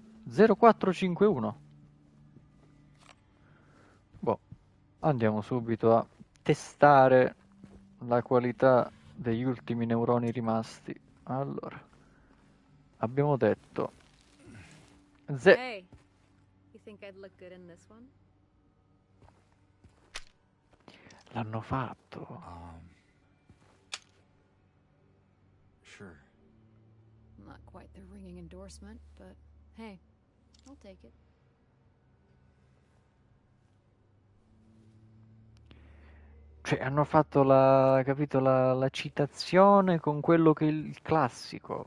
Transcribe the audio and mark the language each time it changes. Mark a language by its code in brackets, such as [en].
[it] 0451. Boh, andiamo subito a testare la qualità degli ultimi neuroni rimasti. Allora, abbiamo detto [en] Hey, you think I'd look good in this one? [it] L'hanno fatto. [en] Sure. Not quite the ringing endorsement, but hey, I'll take it. [it] Cioè, hanno fatto la, capito, la citazione con quello che il classico.